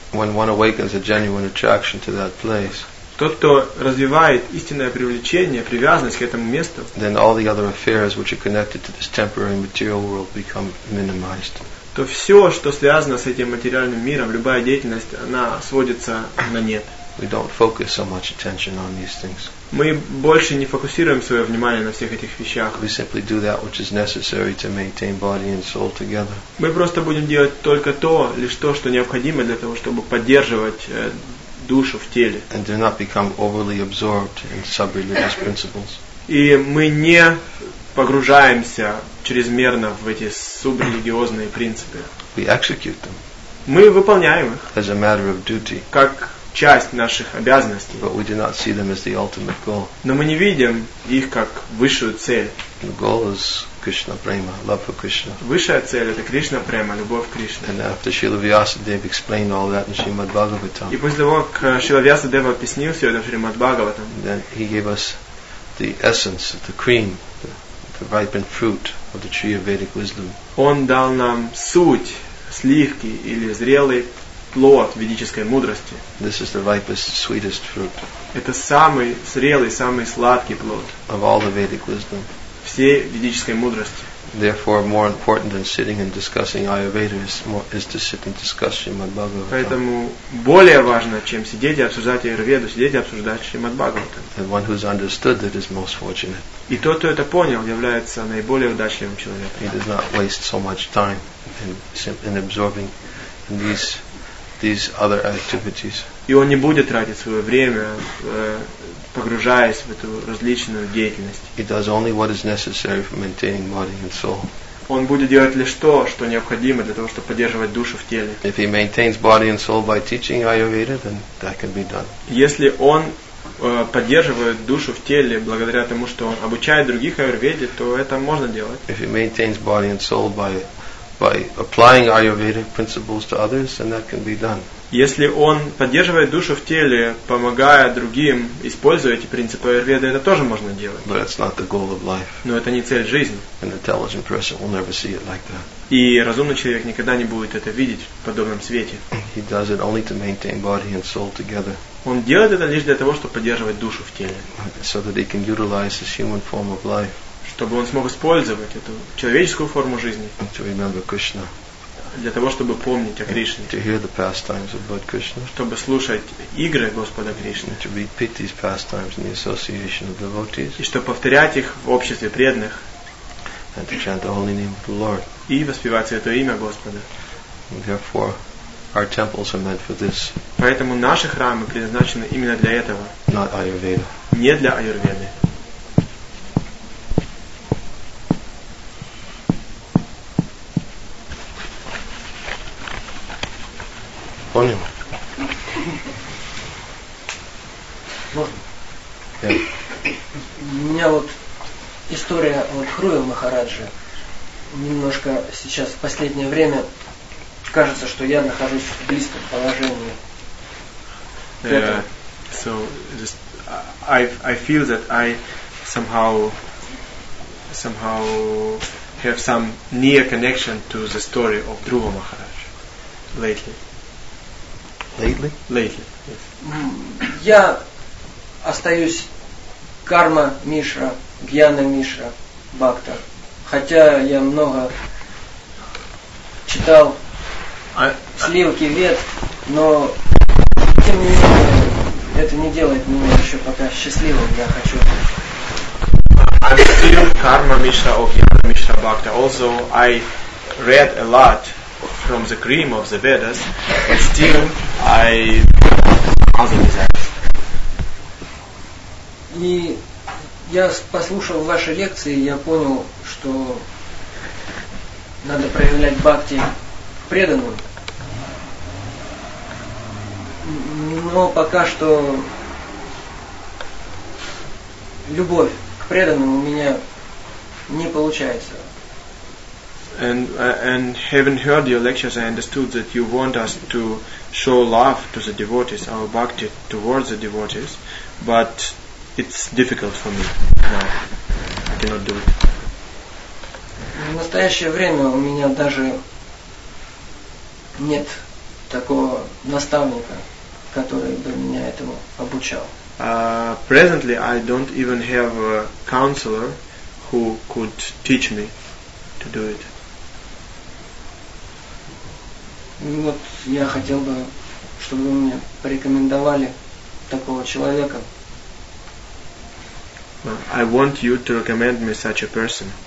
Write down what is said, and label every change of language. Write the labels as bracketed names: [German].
[English] When one awakens a genuine attraction to that place. [Russian] Тот, кто развивает истинное привлечение, привязанность к этому месту, [English] then all the other affairs which are connected to this temporary material world become minimized. [Russian] То все, что связано с этим материальным миром, любая деятельность, она сводится на нет. [English] We don't focus so much attention on these things. [Russian] Мы больше не фокусируем свое внимание на всех этих вещах. [English] We simply do that which is necessary to maintain body and soul together. [Russian] Мы просто будем делать только то, лишь то, что необходимо для того, чтобы поддерживать душу в теле. [English] And do not become overly absorbed in sub-religious principles. [Russian] И мы не погружаемся чрезмерно в эти субрелигиозные принципы. [English] We execute them. [Russian] Мы выполняем их. [English] As a matter of duty. [Russian] Как часть наших обязанностей. [English] But we do not see them as the ultimate goal. [Russian] Но мы не видим их как высшую цель. [English] The goal is Krishna prema, love for Krishna. [Russian] Высшая цель — это Кришна према, любовь к Кришне. [English] And after Srila Vyasadeva explained all that in Srimad Bhagavatam. [Russian] И после того, как Srila Vyasadeva объяснил все это в Шримад Бхагаватам. [English] Then he gave us the essence, the cream, the ripened fruit of the tree of Vedic wisdom. [Russian] Он дал нам суть, сливки или зрелый плод ведической мудрости. [English] This is the ripest, sweetest fruit. [Russian] Это самый зрелый, самый сладкий плод. [English] Of all the Vedic wisdom. [Russian] Всей ведической мудрости. [English] Therefore, more important than sitting and discussing Ayurveda is to sit and discuss Srimad Bhagavatam. [Russian] Поэтому более важно, чем сидеть и обсуждать Айурведу, сидеть и обсуждать Шримад Бхагаватам. [English] And one who's understood that is most fortunate. [Russian] И тот, кто это понял, является наиболее удачливым человеком. [English] He does not waste so much time in absorbing these other activities. [Russian] И он не будет тратить свое время, погружаясь в эту различную деятельность. [English] He does only what is necessary for maintaining body and soul. [Russian] Он будет делать лишь то, что необходимо для того, чтобы поддерживать душу в теле. [English] If he maintains body and soul by teaching Ayurveda, then that can be done. [Russian] Если он поддерживает душу в теле благодаря тому, что он обучает других Айурведе, то это можно делать. [English] If he maintains body and soul by applying Ayurvedic principles to others, then that can be done. [Russian] Если он поддерживает душу в теле, помогая другим, используя эти принципы Айурведы, это тоже можно делать. [English] But it's not the goal of life. [Russian] Но это не цель жизни. [English] An intelligent person will never see it like that. [Russian] И разумный человек никогда не будет это видеть в подобном свете. [English] He does it only to maintain body and soul together. [Russian] Он делает это лишь для того, чтобы поддерживать душу в теле. [English] So that he can utilize his human form of life. [Russian] Чтобы он смог использовать эту человеческую форму жизни. [English] To remember Krishna. [Russian] Для того, чтобы помнить о Кришне. [English] To hear the pastimes of Lord Krishna. [Russian] Чтобы слушать игры Господа Кришны. [English] To repeat these pastimes in the association of devotees. [Russian] И чтобы повторять их в обществе преданных. [English] And to chant the holy name of the Lord. [Russian] И воспевать Святое имя Господа. [English] Therefore, our temples are meant for this. [Russian] Поэтому наши храмы предназначены именно для этого. [English] Not Ayurveda. [Russian] Не для Айурведы. Понял? Можно? [English] Yeah. [Russian] У меня вот история вот Хруя Махараджи немножко сейчас в последнее время кажется, что я нахожусь в близком положении. [English] So just I feel that I somehow have some near connection to the story of Dhruva Maharaj lately. Lately? Lately, yes. [Russian] Я остаюсь карма Мишра, гьяна Мишра, бхакта. Хотя я много читал сливки вед, но тем не менее это не делает меня еще пока счастливым, я хочу. [English] I'm still karma Mishra of Gyana Mishra Bhakta. Also I read a lot from the cream of the Vedas, but still I other than that. [Russian] И я послушал ваши лекции, я понял, что надо проявлять бхакти преданным. Но пока что любовь к преданным у меня не получается. [English] And having heard your lectures, I understood that you want us to show love to the devotees, our bhakti towards the devotees, but it's difficult for me now. I cannot do it. [Russian] В настоящее время у меня даже нет такого наставника, который бы меня этому обучал. [English] Presently, I don't even have a counselor who could teach me to do it. [Russian] Вот я хотел бы, чтобы вы мне порекомендовали такого человека. [English] I want you to recommend me such a person.